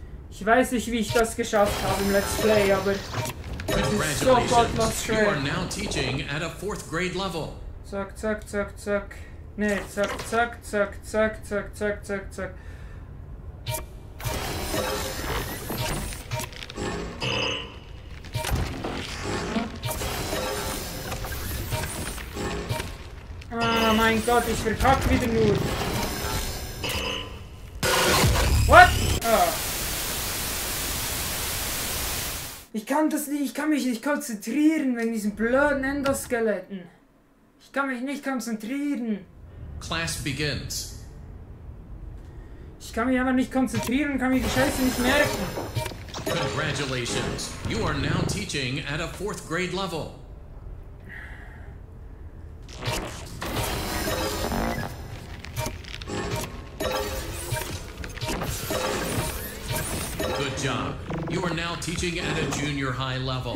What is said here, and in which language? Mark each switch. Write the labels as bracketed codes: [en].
[de] Ich weiß nicht, wie ich das geschafft habe im Let's Play, aber. [en] Congratulations, so you are now teaching at a fourth grade level. [de] Zack, zack, zack, zack. Nee, zack, zack, zack, zack, zack, zack, zack, zack. Ah, mein Gott, ich verkack wieder nur. [en] What? Oh. [de] Ich kann das nicht, ich kann mich nicht konzentrieren wegen diesen blöden Endoskeletten. Ich kann mich nicht konzentrieren. [en] Class begins. [de] Ich kann mich einfach nicht konzentrieren und kann mich die Scheiße nicht merken. [en] Congratulations. You are now teaching at a fourth grade level. Good job. You are now teaching at a junior high level.